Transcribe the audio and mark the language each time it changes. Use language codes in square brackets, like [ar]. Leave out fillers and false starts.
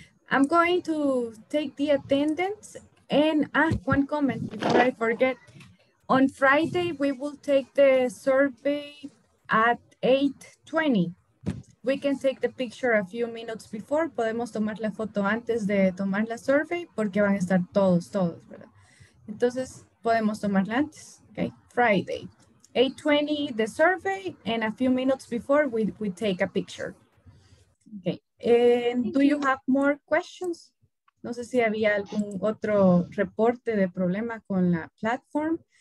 [en] I'm going to take the attendance and ask one comment before I forget. On Friday, we will take the survey at 8:20. We can take the picture a few minutes before. [es] Podemos tomar la foto antes de tomar la survey porque van a estar todos, ¿verdad? Entonces, podemos tomarla antes, okay? [en] Friday, 8:20, the survey, and a few minutes before, we take a picture. Okay, and do you have more questions? [es] No sé si había algún otro reporte de problema con la platform.